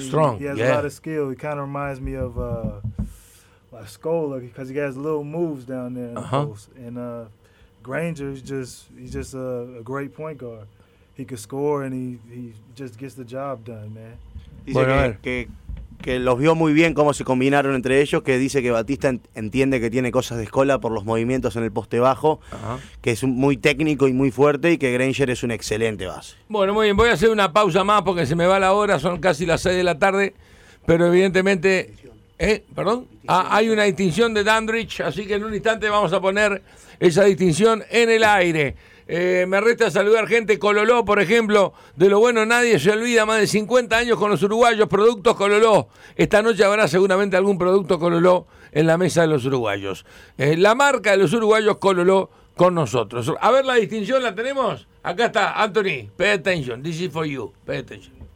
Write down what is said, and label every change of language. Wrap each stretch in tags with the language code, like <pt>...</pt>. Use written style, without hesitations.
<en>strong, He has a lot of skill. He kind of reminds me of Scola because he has little moves down there. Granger, he's just a great point guard. He can score and he just gets the job done, man.</en> <es>Dice bueno, que, que, que los vio muy bien cómo se combinaron entre ellos, que dice que Batista entiende que tiene cosas de Scola por los movimientos en el poste bajo, que es muy técnico y muy fuerte, y que Granger es un excelente base. Bueno, muy bien, voy a hacer una pausa más porque se me va la hora, son casi las 6 de la tarde, pero evidentemente... ¿Perdón? Hay una distinción de Dandridge, así que en un instante vamos a poner esa distinción en el aire. Me resta saludar gente. Cololó, por ejemplo, de lo bueno nadie se olvida, más de 50 años con los uruguayos, productos Cololó. Esta noche habrá seguramente algún producto Cololó en la mesa de los uruguayos. La marca de los uruguayos, Cololó, con nosotros. A ver, la distinción, ¿la tenemos? Acá está,</es> <en>Anthony, pay attention, this is for you, pay attention.</en>